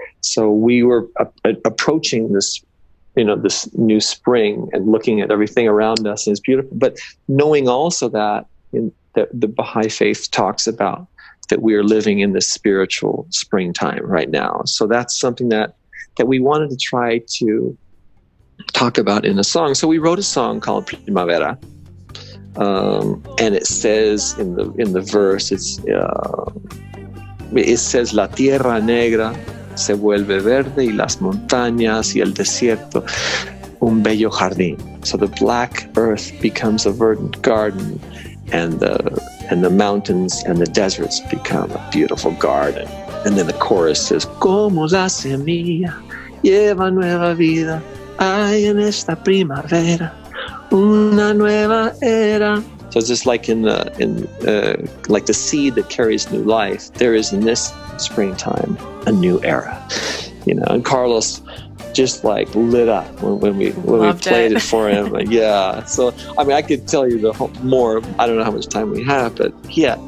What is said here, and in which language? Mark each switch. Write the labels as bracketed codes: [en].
[en] So we were approaching this, you know, this new spring and looking at everything around us is beautiful, but knowing also that the Baha'i faith talks about that we are living in this spiritual springtime right now. So that's something that we wanted to try to talk about in a song. So we wrote a song called Primavera. And it says in the verse, it says, [es] "La tierra negra se vuelve verde y las montañas y el desierto un bello jardín." [en] So the black earth becomes a verdant garden, and the mountains and the deserts become a beautiful garden. And then the chorus says, [es] "Como la semilla lleva nueva vida, hay en esta primavera una nueva era." [en] So it's just like like the seed that carries new life, there is in this springtime a new era. You know, and Carlos just like lit up when we played it for him. Yeah. So, I mean, I could tell you the whole, more. I don't know how much time we have, but yeah.